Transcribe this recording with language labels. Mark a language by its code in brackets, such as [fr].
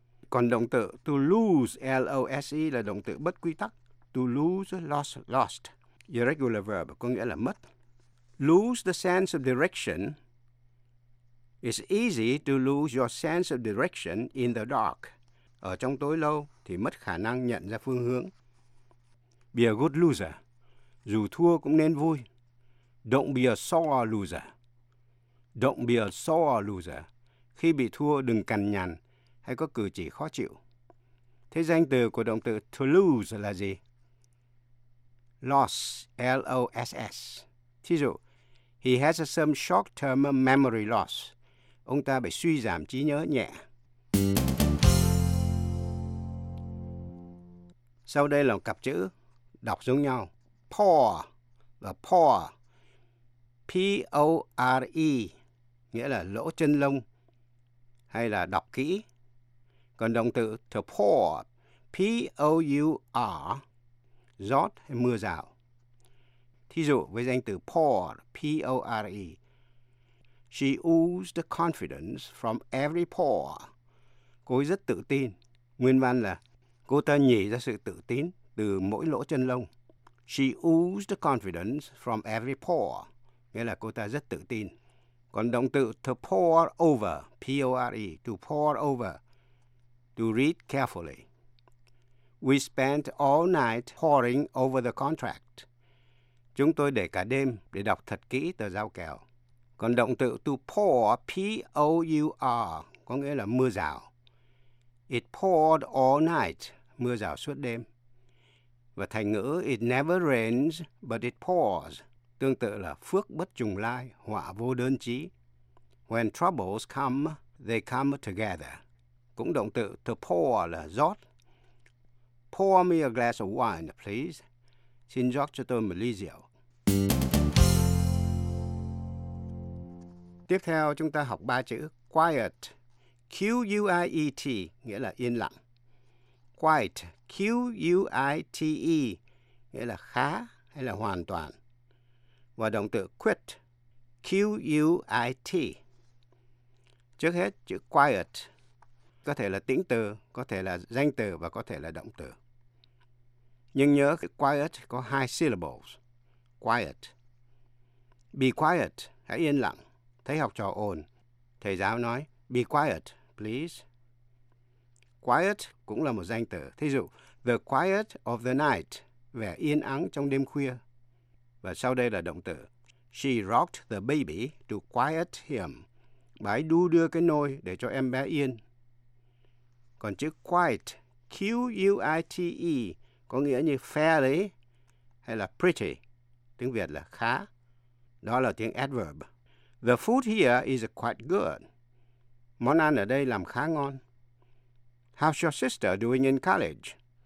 [vi] Còn động từ to lose, L-O-S-E, là động từ bất quy tắc. [en] To lose, lost, lost. Irregular verb [vi] có nghĩa là mất. [en] Lose the sense of direction. It's easy to lose your sense of direction in the dark. [vi] Ở trong tối lâu thì mất khả năng nhận ra phương hướng. [en] Be a good loser. [vi] Dù thua cũng nên vui. [en] Don't be a sore loser. Don't be a sore loser. [vi] Khi bị thua đừng cằn nhằn hay có cử chỉ khó chịu. Thế danh từ của động từ to lose là gì? [en] Loss, L-O-S-S. [vi] Thí dụ, [en] he has some short-term memory loss. [vi] Ông ta bị suy giảm trí nhớ nhẹ. Sau đây là một cặp chữ đọc giống nhau. Pore và pore. P-O-R-E nghĩa là lỗ chân lông hay là đọc kỹ. Còn động từ to pour, P-O-U-R, rót hay mưa rào. Thí dụ với danh từ pore, P-O-R-E. [en] She oozed confidence from every pore. [vi] Cô ấy rất tự tin. Nguyên văn là cô ta nhỉ ra sự tự tin từ mỗi lỗ chân lông. [en] She oozed confidence from every pore. [vi] Nghĩa là cô ta rất tự tin. Còn động từ [en] to pour over, P-O-R-E, to pour over, to read carefully. We spent all night poring over the contract. [vi] Chúng tôi để cả đêm để đọc thật kỹ tờ giao kèo. Còn động từ to pour, P-O-U-R, có nghĩa là mưa rào. [en] It poured all night, [vi] mưa rào suốt đêm. Và thành ngữ [en] it never rains, but it pours, [vi] tương tự là phước bất trùng lai, họa vô đơn chí. [en] When troubles come, they come together. [vi] Cũng động từ to pour là rót. [en] Pour me a glass of wine, please. [vi] Xin rót cho tôi một ly rượu. Tiếp theo chúng ta học ba chữ quiet. Q-U-I-E-T nghĩa là yên lặng. Quiet, Q-U-I-T-E nghĩa là khá hay là hoàn toàn. Và động từ quit, Q-U-I-T. Trước hết chữ quiet có thể là tĩnh từ, có thể là danh từ và có thể là động từ. Nhưng nhớ quiet có hai syllables. Quiet. [en] Be quiet, [vi] hãy yên lặng. Thấy học trò ồn, thầy giáo nói, [en] be quiet, please. [vi] Quiet cũng là một danh từ. Thí dụ, [en] the quiet of the night, [vi] vẻ yên ắng trong đêm khuya. Và sau đây là động từ. [en] She rocked the baby to quiet him. [vi] Bà ấy đu đưa cái nôi để cho em bé yên. Còn chữ quiet, Q-U-I-T-E, có nghĩa như fairly hay là pretty. Tiếng Việt là khá. Đó là tiếng adverb. [en] The food here is quite good. [vi] Món ăn ở đây làm khá ngon. [en] How's your sister doing in college?